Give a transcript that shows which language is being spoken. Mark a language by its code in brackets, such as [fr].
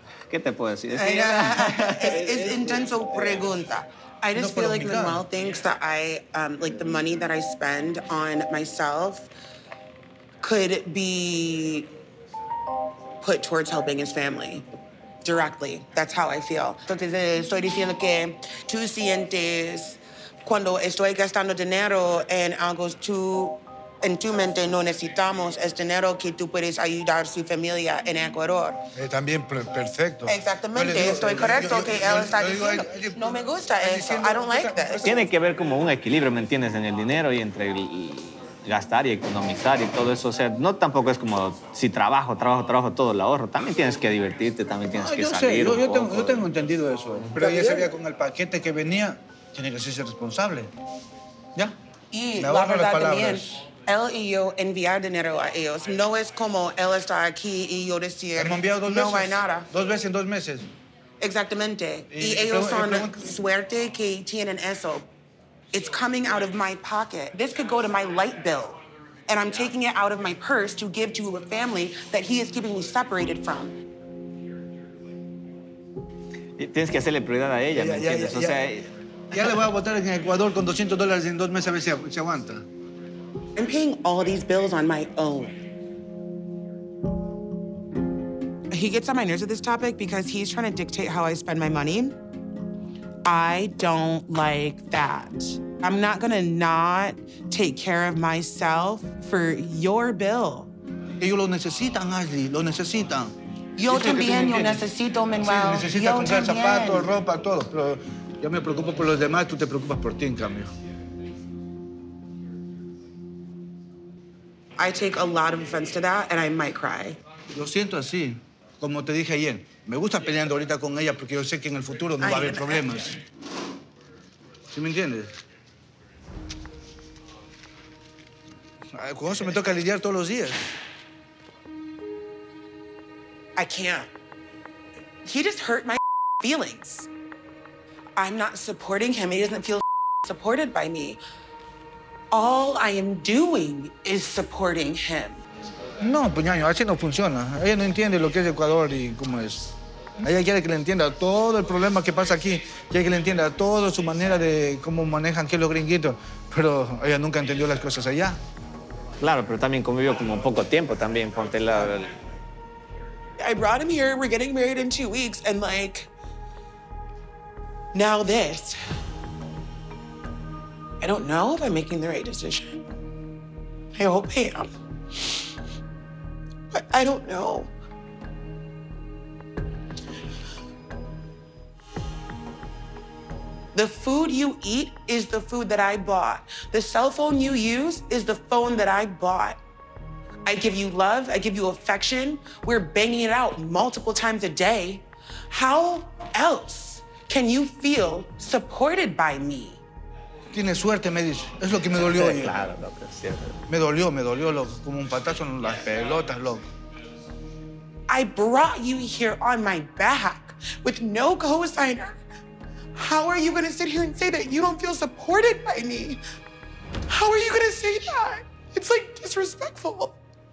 [es] ¿Qué te puedo decir? Es intenso pregunta. [en] I just feel like Manuel thinks that I, like, the money that I spend on myself could be put towards helping his family. Directly, that's how I feel. [es] Entonces estoy diciendo que tú sientes cuando estoy gastando dinero en algo tú en tu mente no necesitamos es dinero que tú puedes ayudar su familia en Ecuador. También perfecto. Exactamente, digo, estoy correcto que él está diciendo. No me gusta eso. [en] I don't like this. [es] Tiene que ver como un equilibrio, ¿me entiendes? En el dinero y entre el gastar y economizar y todo eso. O sea, no tampoco es como si trabajo, trabajo, trabajo, todo el ahorro. También tienes que divertirte, también tienes que salir. Yo tengo entendido eso. Pero ella sabía con el paquete que venía, tiene que ser responsable. ¿Ya? Y la verdad también, él y yo enviar dinero a ellos. No es como él está aquí y yo decir... Hemos enviado dos veces. No hay nada. Dos veces en dos meses. Exactamente. Y ellos son suerte que tienen eso. [en] It's coming out of my pocket. This could go to my light bill. And I'm taking it out of my purse to give to a family that he is keeping me separated from. [es] Tienes que hacerle prioridad a ella, ¿me entiendes? O sea, ya le voy a botar en Ecuador con $200 en dos meses a ver si aguanta. [en] I'm paying all these bills on my own. He gets on my nerves with this topic because he's trying to dictate how I spend my money. I don't like that. I'm not gonna not take care of myself for your bill. [es] Ellos lo necesitan, Ashley, lo necesitan. Yo también, yo necesito, Manuel. Sí, necesita comprar zapatos, ropa, todo. Pero yo me preocupo por los demás, tú te preocupas por ti, en cambio. [en] I take a lot of offense to that, and I might cry. [es] Lo siento así. Como te dije ayer, me gusta peleando ahorita con ella porque yo sé que en el futuro no va a haber problemas. ¿Sí me entiendes? Con eso me toca lidiar todos los días. [en] I can't. He just hurt my feelings. I'm not supporting him. He doesn't feel supported by me. All I am doing is supporting him. [es] No, puñaño, así no funciona. Ella no entiende lo que es Ecuador y cómo es. Ella quiere que le entienda todo el problema que pasa aquí. Quiere que le entienda toda su manera de cómo manejan aquí los gringuitos. Pero ella nunca entendió las cosas allá. Claro, pero también convivió como poco tiempo también. Ponte la... [en] I brought him here, we're getting married in 2 weeks, and like... Now this. I don't know if I'm making the right decision. I hope I am. I don't know. The food you eat is the food that I bought. The cell phone you use is the phone that I bought. I give you love, I give you affection. We're banging it out multiple times a day. How else can you feel supported by me? [es] Tienes suerte, me dice. Es lo que me dolió. Claro, loco, cierto. Me dolió, loco. Como un patazo en las pelotas, loco. [en] I brought you here on my back with no co-signer. How are you gonna sit here and say that you don't feel supported by me? How are you gonna say that? It's like disrespectful.